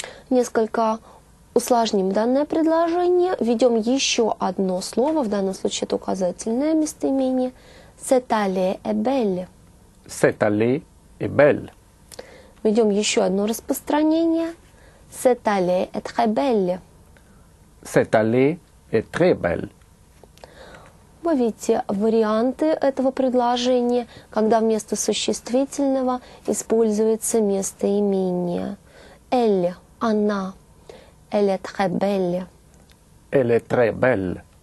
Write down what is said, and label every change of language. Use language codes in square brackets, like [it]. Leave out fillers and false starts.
[ru] Несколько усложним данное предложение. Введем еще одно слово. В данном случае это указательное местоимение. [fr] Cette allée est belle. Cette allée est belle. [ru] Введем еще одно распространение. [fr] Cette allée est très belle. Cette allée est très belle. [ru] Вы видите варианты этого предложения, когда вместо существительного используется местоимение. [fr] Elle, [ru] она. [fr] Elle est très belle. Elle est très belle.